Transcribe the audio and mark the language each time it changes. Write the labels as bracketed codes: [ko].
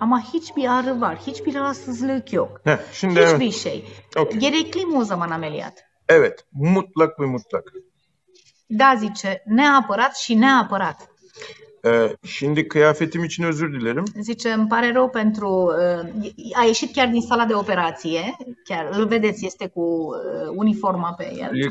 [tr] Ama hiçbir ağrı var, hiçbir rahatsızlık yok. Şimdi hiçbir şey. Okay. Gerekli mi o zaman ameliyat? Evet, mutlak ve mutlak. [ro] Da zice, neapărat și neapărat. Şimdi kıyafetim için özür dilerim. Zice, îmi pare rău pentru... A ieșit chiar din sala de operație. Chiar îl vedeți, este cu uniforma pe el.